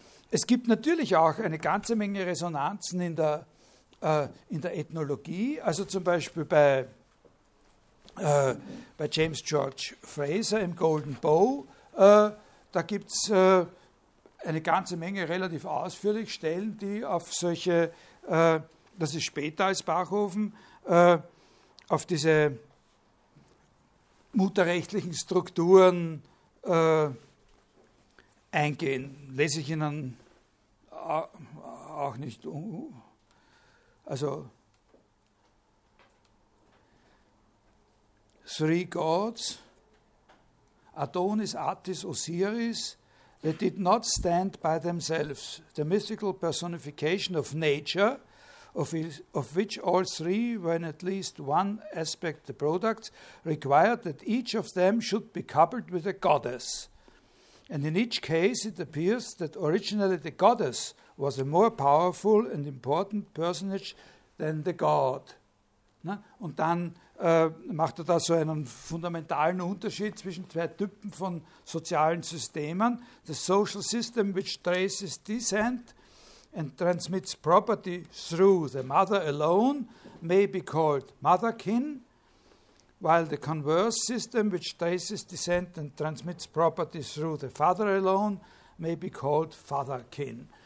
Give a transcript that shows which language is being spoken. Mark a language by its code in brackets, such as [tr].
[de] Es gibt natürlich auch eine ganze Menge Resonanzen in der Ethnologie, also zum Beispiel bei James George Frazer im Golden Bow, da gibt es eine ganze Menge relativ ausführlich Stellen, die auf solche, das ist später als Bachofen, auf diese mutterrechtlichen Strukturen eingehen. Lese ich Ihnen auch nicht. [en] Also, three gods, Adonis, Attis, Osiris, they did not stand by themselves. The mystical personification of nature, of which all three were in at least one aspect the product, required that each of them should be coupled with a goddess. And in each case, it appears that originally the goddess was a more powerful and important personage than the god. [de] Ne? Und dann macht er da so einen fundamentalen Unterschied zwischen zwei Typen von sozialen Systemen. [en] The social system, which traces descent and transmits property through the mother alone, may be called motherkin, while the converse system, which traces descent and transmits property through the father alone, may be called fatherkin.